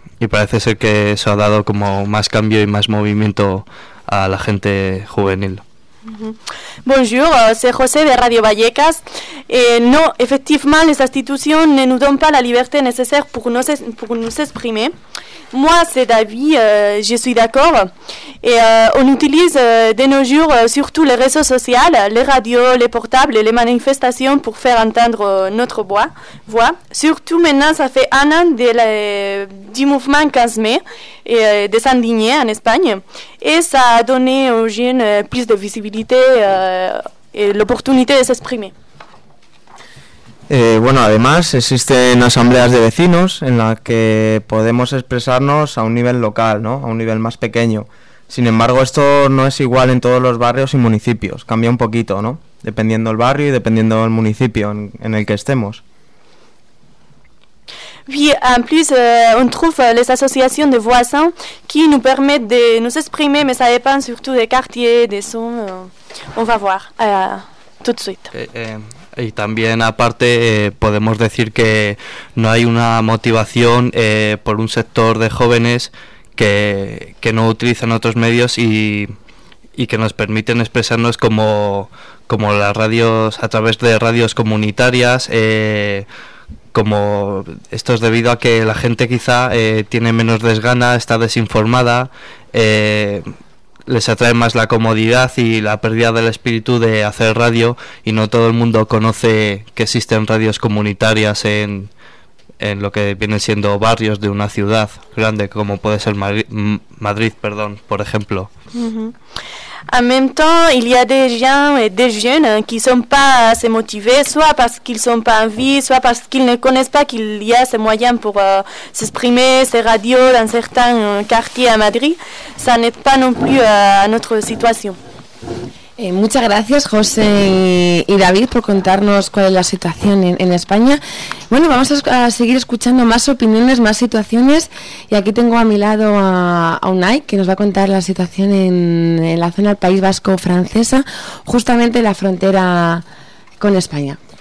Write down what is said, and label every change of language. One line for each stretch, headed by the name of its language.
Spanish: parece ser que eso ha dado como más cambio y más movimiento a la gente juvenil.
French: Bonjour, c'est José de Radio Vallecas. No, effectivement, les institutions ne nous donnent pas la liberté nécessaire pour nous exprimer. Moi, c'est David, je suis d'accord. On utilise de nos jours surtout les réseaux sociaux, les radios, les portables, les manifestations pour faire entendre notre voix. Surtout maintenant, ça fait un an du mouvement 15 mai, des indignés en Espagne. Et ça a donné aux jeunes plus de visibilité et l'opportunité de s'exprimer.
Spanish: Bueno, además existen asambleas de vecinos en las que podemos expresarnos a un nivel local, ¿no? A un nivel más pequeño. Sin embargo, esto no es igual en todos los barrios y municipios. Cambia un poquito, ¿no? Dependiendo del barrio y dependiendo del municipio en el que estemos.
French: Oui, en plus, on trouve les associations de voisins qui nous permettent de nous exprimer, mais ça dépend surtout des quartiers, des zones. On va voir tout de suite.
Spanish: Y también aparte podemos decir que no hay una motivación por un sector de jóvenes que no utilizan otros medios y que nos permiten expresarnos como las radios, a través de radios comunitarias, como esto es debido a que la gente quizá tiene menos desgana, está desinformada, les atrae más la comodidad y la pérdida del espíritu de hacer radio y no todo el mundo conoce que existen radios comunitarias en lo que vienen siendo barrios de una ciudad grande como puede ser Madrid, por ejemplo.
French: En même temps, il y a des jeunes qui sont pas assez motivés, soit parce qu'ils sont pas en vie, soit parce qu'ils ne connaissent pas qu'il y a ces moyens pour s'exprimer, ces radios dans certains quartiers à Madrid. Ça n'aide pas non plus à notre situation.
Spanish: Muchas gracias, José y David, por contarnos cuál es la situación en España. Bueno, vamos a seguir escuchando más opiniones, más situaciones. Y aquí tengo a mi lado a Unai, que nos va a contar la situación en la zona del País Vasco francesa, justamente la frontera con España.